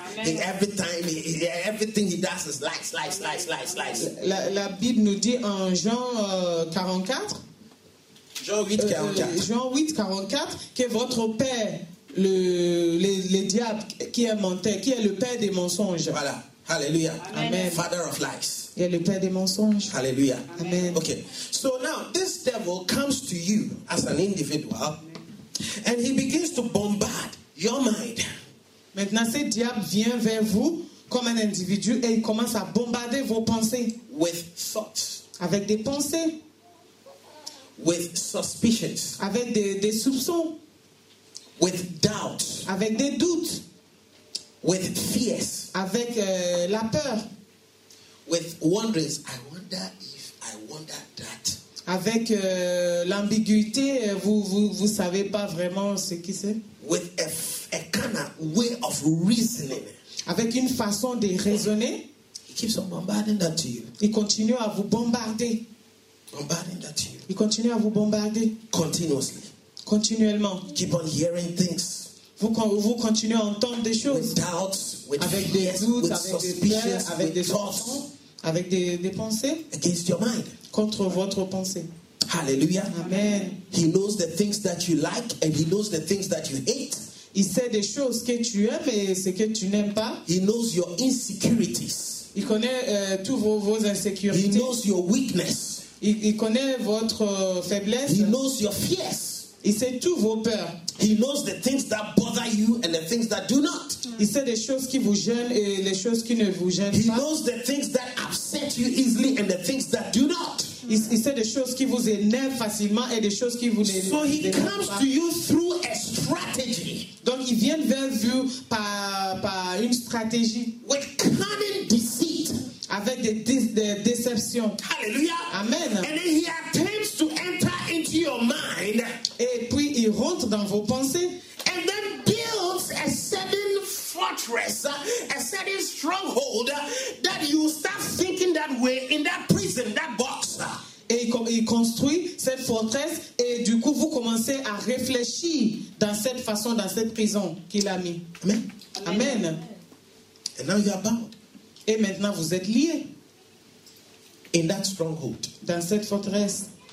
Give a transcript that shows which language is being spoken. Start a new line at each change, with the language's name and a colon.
English: Amen. Every time, everything he does is lies, lies, lies, lies, lies.
French: La Bible nous dit en Jean 8, 44, que votre père... Le diable qui est menteur, qui est le père des mensonges. Voilà. Hallelujah. Amen.
English: Father of lies.
French: Il est le père des mensonges. Hallelujah. Amen. Okay.
English: So now this devil comes to you as an individual, and he begins to bombard your mind.
French: Maintenant, ce diable vient vers vous comme un individu et il commence à bombarder vos pensées.
English: With thoughts.
French: Avec des pensées.
English: With suspicions.
French: Avec des soupçons.
English: With doubts.
French: Avec des doutes.
English: With fears.
French: Avec la peur.
English: With wonderings. I wonder if, I wonder that.
French: Avec l'ambiguïté, vous savez pas vraiment ce qui c'est.
English: With a kind of way of reasoning.
French: Avec une façon de raisonner.
English: He keeps on bombarding that to you.
French: Il continue à vous bombarder.
English: Bombarding that to you.
French: Il continue à vous bombarder.
English: Continuously.
French: Continuellement.
English: Keep on hearing things.
French: Vous continuez à entendre des choses.
English: With doubts, with
French: avec
English: fears,
French: des doutes,
English: with
French: avec
English: suspicions,
French: des peurs, avec
English: with
French: des
English: thoughts,
French: avec des pensées.
English: Against your mind.
French: Contre votre pensée. Hallelujah. Amen.
English: He knows the things that you like and he knows the things that you hate.
French: Il sait des choses que tu aimes et ce que tu n'aimes pas.
English: He knows your insecurities.
French: Il connaît tous vos insécurités.
English: He knows your weakness.
French: Il connaît votre faiblesse.
English: He knows your fears.
French: Il sait tous vos peurs.
English: He knows the things that bother you and the things that do not.
French: Il sait les choses qui vous gênent et les choses qui ne vous gênent
English: he
French: pas.
English: He knows the things that upset you easily and the things that do not.
French: Il sait des choses qui vous énervent facilement et des choses qui vous
English: so he comes to you through a strategy.
French: Donc il vient vers vous par une stratégie.
English: With cunning deceit.
French: Avec des déceptions. Hallelujah. Amen.
English: And then he attempts to enter into your mind.
French: Et puis il rentre dans vos pensées.
English: And then builds a certain fortress, a certain stronghold that you start thinking that way in that prison, that box.
French: Et il construit cette forteresse et du coup vous commencez à réfléchir dans cette façon, dans cette prison qu'il a mis. Amen. Amen.
English: Amen. And now you are bound.
French: Et maintenant vous êtes lié.
English: In that stronghold.
French: Dans cette forteresse.